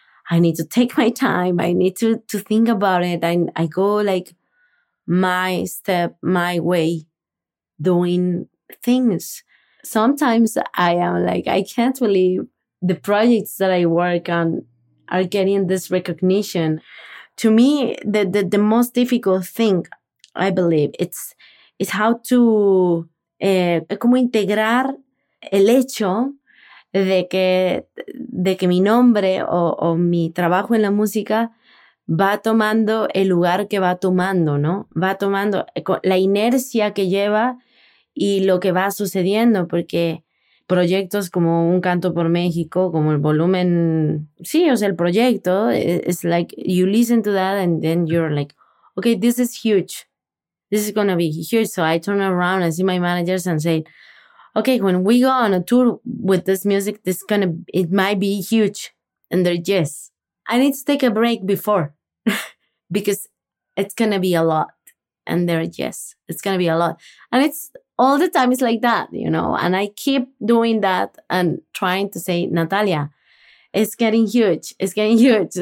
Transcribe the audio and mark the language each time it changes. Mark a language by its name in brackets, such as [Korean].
[English] I need to take my time. I need to think about it. And I go, like, my step, my way, doing things. Sometimes I am like, I can't believe the projects that I work on are getting this recognition. To me, the most difficult thing, I believe, it's how to [Spanish] como integrar el hecho de que mi nombre o mi trabajo en la música va tomando el lugar que va tomando, ¿no? Va tomando la inercia que lleva y lo que va sucediendo, porque proyectos como Un Canto por México, como el volumen, sí, o sea, el proyecto, [English] it's like you listen to that and then you're like, okay, this is huge. This is going to be huge. So I turn around and see my managers and say, okay, when we go on a tour with this music, it might be huge. And they're, yes. I need to take a break before because it's going to be a lot. And they're, yes, it's going to be a lot. And it's all the time is like that, you know, and I keep doing that and trying to say, Natalia, it's getting huge. It's getting huge.